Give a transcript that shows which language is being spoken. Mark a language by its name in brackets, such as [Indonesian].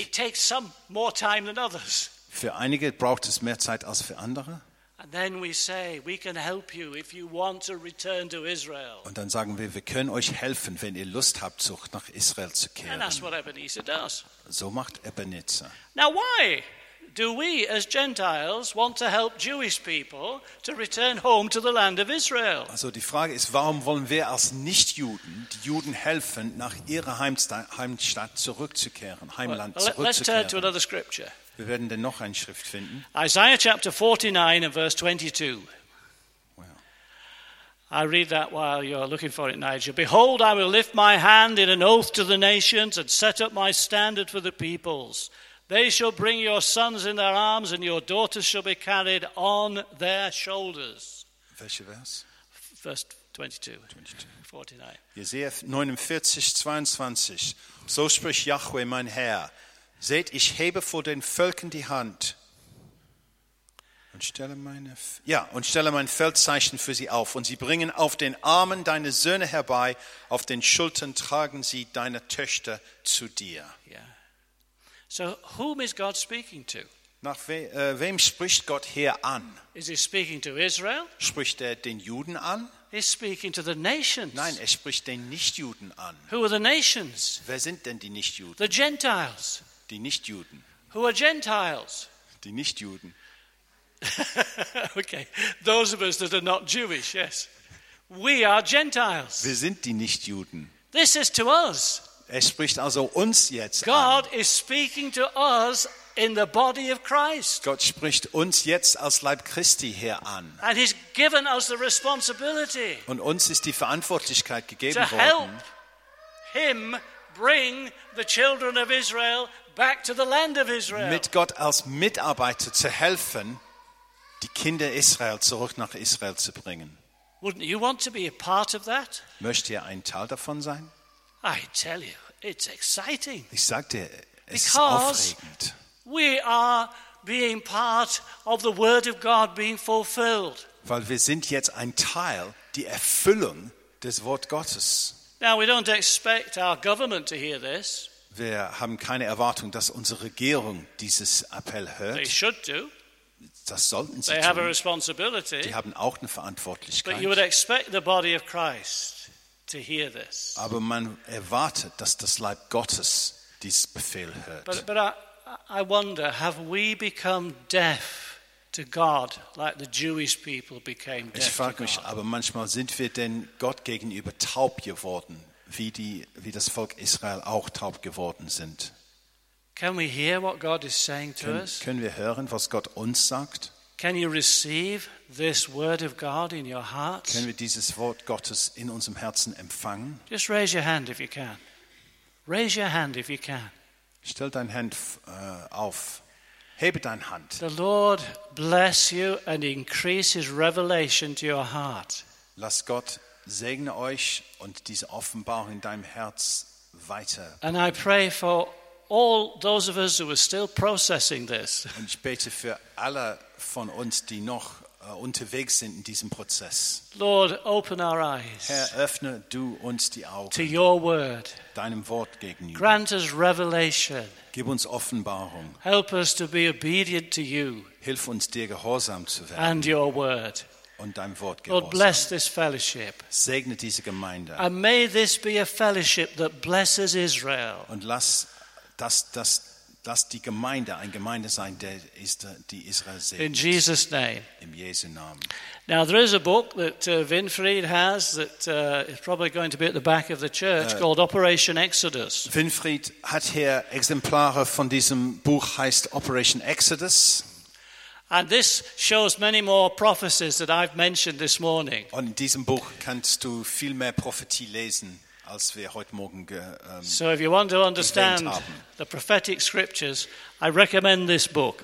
[English] It takes some more time than others. [German] Für einige braucht es mehr Zeit als für andere. [English] And then we say, we can help you if you want to return to Israel. [German] Und dann sagen wir können euch helfen, wenn ihr Lust habt, zurück nach Israel zu kehren. [English] And that's what Ebenezer does. [German] So macht Ebenezer. [English] Now why do we as Gentiles want to help Jewish people to return home to the land of Israel? [German] Also die Frage ist, warum wollen wir als Nichtjuden die Juden helfen, nach ihrer Heimstadt zurückzukehren, Heimland zurückzukehren? [English] Let's turn to another scripture. [German] Wir werden denn noch eine Schrift finden. [English] Isaiah chapter 49 and verse 22. I read that while you're looking for it, Nigel. Behold, I will lift my hand in an oath to the nations and set up my standard for the peoples. They shall bring your sons in their arms and your daughters shall be carried on their shoulders. [German] Welcher Vers? Vers 49. Jesaja 49:22. So spricht Yahweh, mein Herr. Seht, ich hebe vor den Völkern die Hand und stelle mein Feldzeichen für sie auf. Und sie bringen auf den Armen deine Söhne herbei, auf den Schultern tragen sie deine Töchter zu dir. [English] Yeah. So whom is God speaking to? [German] Nach wem spricht Gott hier an? [English] Is he speaking to Israel? [German] Spricht den Juden an? [English] He's speaking to the nations. [German] Nein, spricht den Nichtjuden an. [English] Who are the nations? [German] Wer sind denn die Nichtjuden? [English] The Gentiles. [German] Die Nichtjuden. [English] Who are Gentiles? [German] Die Nichtjuden. [English] Okay, those of us that are not Jewish, yes. We are Gentiles. [German] Wir sind die Nichtjuden. [English] This is to us. [German] Spricht also uns jetzt an. [English] God is speaking to us in the body of Christ. [German] Gott spricht uns jetzt als Leib Christi hier an. [English] And he's given us the responsibility. [German] Und uns ist die Verantwortlichkeit gegeben worden. [English] To help him bring the children of Israel back to the land of Israel. [German] Mit Gott als Mitarbeiter zu helfen, die Kinder Israel zurück nach Israel zu bringen. [English] Wouldn't you want to be a part of that? [German] Möchtet ihr ein Teil davon sein? [English] I tell you, it's exciting. [German] Ich sag dir, es [English] Because [German] ist aufregend. [English] We are being part of the word of God being fulfilled. [German] Weil wir sind jetzt ein Teil der Erfüllung des Wort Gottes. [English] Now we don't expect our government to hear this. [German] Wir haben keine Erwartung, dass unsere Regierung dieses Appell hört. [English] They should do. [German] das sollten sie [English] they [German] tun. [English] Have a responsibility, [German] die haben auch eine Verantwortlichkeit. [English] But you would expect the body of Christ to hear this. [German] Aber man erwartet, dass das Leib Gottes diesen Befehl hört. [English] But I wonder, have we become deaf to God like the Jewish people became deaf? [German] Ich frage mich, aber manchmal sind wir denn Gott gegenüber taub geworden, wie das Volk Israel auch taub geworden sind? [English] Can we hear what God is saying to us? [German] Können wir hören, was Gott uns sagt? [English] Can you receive this word of God in your heart? [German] Können wir dieses Wort Gottes in unserem Herzen empfangen? [English] Just raise your hand if you can. Raise your hand if you can. [German] Stell deine Hand auf. Hebe deine Hand. [English] The Lord bless you and increase his revelation to your heart. [German] Lass Gott segne euch und diese Offenbarung in deinem Herz weiter. [English] And I pray for all those of us who are still processing this. [German] Und ich bete für alle von uns, die noch unterwegs sind in diesem Prozess. [English] Lord, open our eyes. [German] Herr, öffne du uns die Augen. [English] To your word. [German] Deinem Wort gegenüber. [English] Grant us revelation. [German] Gib uns Offenbarung. [English] Help us to be obedient to you. [German] Hilf uns, dir gehorsam zu werden. [English] And your word. [German] Und dein Wort gehorsam. [English] Lord, bless this fellowship. [German] Segne diese Gemeinde. [English] And may this be a fellowship that blesses Israel. [German] Und lass dass die Gemeinde eine Gemeinde sein, die Israel segnet. [English] In Jesus name. [German] Im Jesu Namen. [English] Now there is a book that Winfried has that is probably going to be at the back of the church called Operation Exodus. [German] Winfried hat hier Exemplare von diesem Buch, heißt Operation Exodus. [English] And this shows many more prophecies that I've mentioned this morning. [German] Und in diesem Buch kannst du viel mehr Prophetie lesen. Als wir heute Morgen [English] so if you want to understand the prophetic scriptures, I recommend this book.